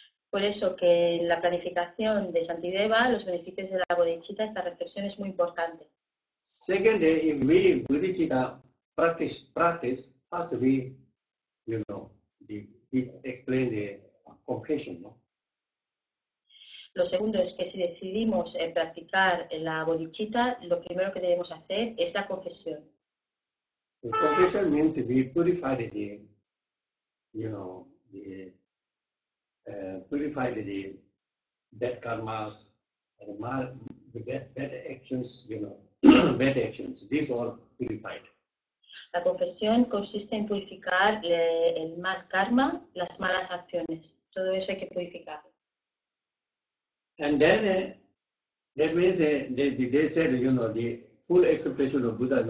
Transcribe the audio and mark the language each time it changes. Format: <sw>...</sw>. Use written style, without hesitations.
<es>Por eso que en la planificación de Shantideva, los beneficios de la bodhicitta, esta reflexión es muy importante.</es> <en>Second, if we bodhicitta practice, first we, you know, we explain the confession, no?</en> <es>Lo segundo es que si decidimos practicar la bodhicitta, lo primero que debemos hacer es la confesión.</es> <en>The confession means we purify the, you know, the purify the bad karmas, the bad actions, you know. Bad actions. These are purified.</en> <es>La confesión consiste en purificar el mal karma, las malas acciones. Todo eso hay que purificar.</es> <en>And then that means they said, you know, the full acceptation of Buddha.</en>